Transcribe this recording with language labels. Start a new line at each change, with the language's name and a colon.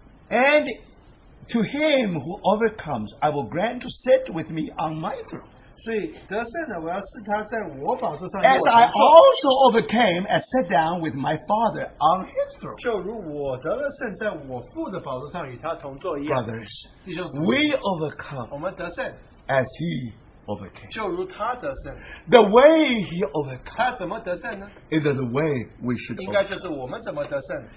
English: And to him who overcomes, I will grant to sit with me on my throne.
Chinese: 所以得胜者我要赐他在我宝座上,
English: as I also overcame and sat down with my Father on his throne.
Chinese: 就如我得了胜在我父的宝座上与他同坐一样。
English: Brothers,
Chinese: 弟兄姊妹,
English: we overcome,
Chinese: 我们得胜,
English: as he overcame.
Chinese: 就如他得胜,
English: the way he overcome,
Chinese: 他怎么得胜呢?
English: Is the way we should overcome.
Chinese: 应该就是我们怎么得胜。